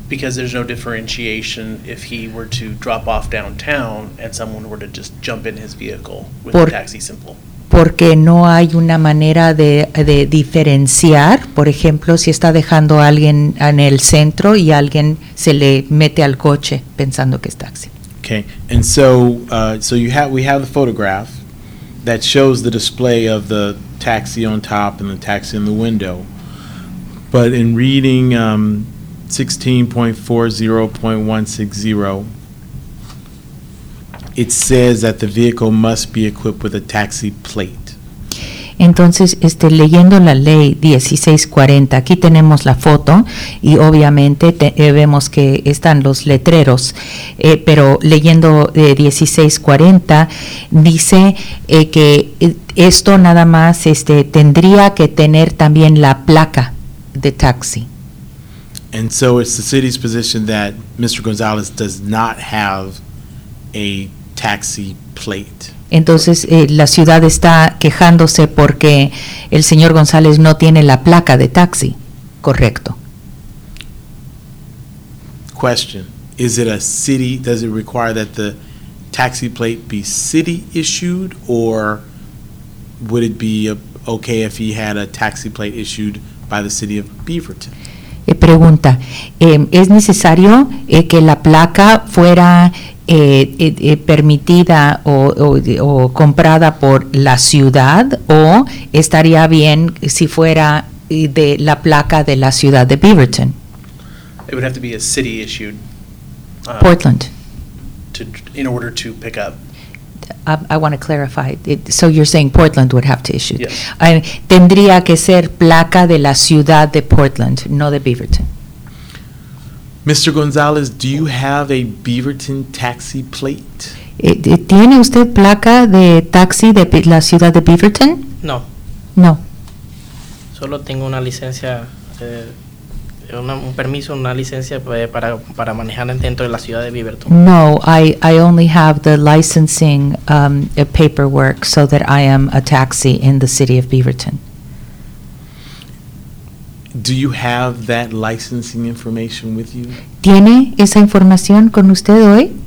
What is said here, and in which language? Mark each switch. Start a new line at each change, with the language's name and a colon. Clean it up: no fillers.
English: Because there's no differentiation if he were to drop off downtown and someone were to just jump in his vehicle with the taxi symbol.
Spanish: Porque no hay una manera de diferenciar, por ejemplo, si está dejando a alguien en el centro y alguien se le mete al coche pensando que es taxi.
English: Ok. Okay, and so we have the photograph that shows the display of the taxi on top and the taxi in the window. But in reading 16.40.160, it says that the vehicle must be equipped with a taxi plate.
Spanish: Entonces, leyendo la ley 1640, aquí tenemos la foto y obviamente vemos que están los letreros, pero leyendo 1640 dice que esto nada más tendría que tener también la placa de taxi.
English: And so it's the city's position that Mr. Gonzalez does not have a taxi plate.
Spanish: Entonces, la ciudad está quejándose porque el señor González no tiene la placa de taxi, correcto.
English: Question, is it a city, does it require that the taxi plate be city issued, or would it be okay if he had a taxi plate issued by the city of Beaverton?
Spanish: Pregunta, ¿es necesario que la placa fuera permitida o comprada por la ciudad, o estaría bien si fuera de la placa de la ciudad de Beaverton?
English: It would have to be a city issued. Portland. In order to pick up. I want to clarify. So you're saying Portland would have to issue. Yes.
Spanish: Tendría que ser placa de la ciudad de Portland, no de Beaverton.
English: Mr. Gonzalez, do you have a Beaverton taxi plate?
Spanish: ¿Tiene usted placa de taxi de la ciudad de Beaverton? No. No. Solo tengo una licencia, un permiso, una licencia para manejar dentro de la ciudad de Beaverton.
English: No, I only have the licensing paperwork so that I am a taxi in the city of Beaverton. Do you have that licensing information with you?
Spanish: ¿Tiene esa información con usted hoy?